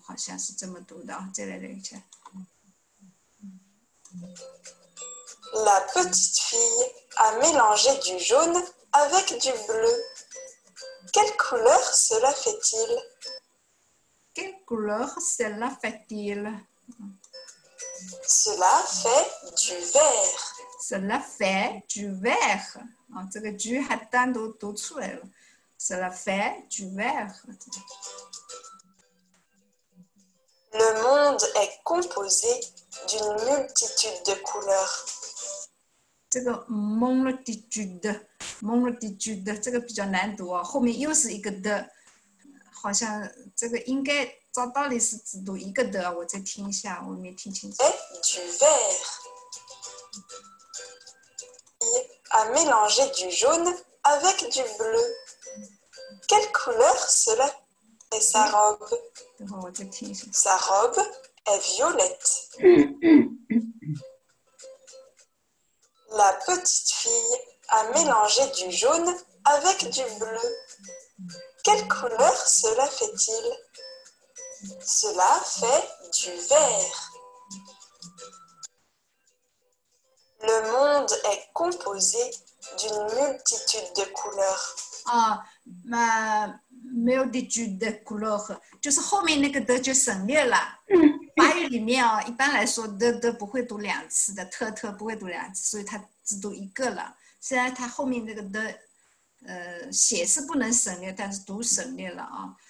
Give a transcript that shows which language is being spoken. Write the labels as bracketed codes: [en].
[zh] 好像是这么读的啊、哦，再来一下。 [fr] La petite fille a mélangé du jaune avec du bleu. Quelle couleur cela fait-il? Quelle couleur cela fait-il? Cela fait du vert. Cela fait du vert. [zh] 啊，这个du还单独读出来了。 [fr] Cela fait du vert. Le monde est composé d'une multitude de couleurs. [zh] 这个 multitude, multitude 这个比较难读哦，后面又是一个的，好像这个应该照道理是只读一个的，我再听一下，我没听清楚。 [fr] Est du vert. Il a mélangé du jaune avec du bleu. Quelle couleur cela est sa robe? [zh] 等会我再听一下。 [fr] Sa robe est violette. La petite fille a mélangé du jaune avec du bleu. Quelle couleur cela fait-il? Cela fait du vert. Le monde est composé d'une multitude de couleurs. Ah, ma multitude de couleurs. [zh] 就是后面那个的就省略了。法语里面哦，一般来说的的不会读两次的，特特不会读两次，所以它只读一个了。虽然它后面那个的，写是不能省略，但是读省略了啊、哦。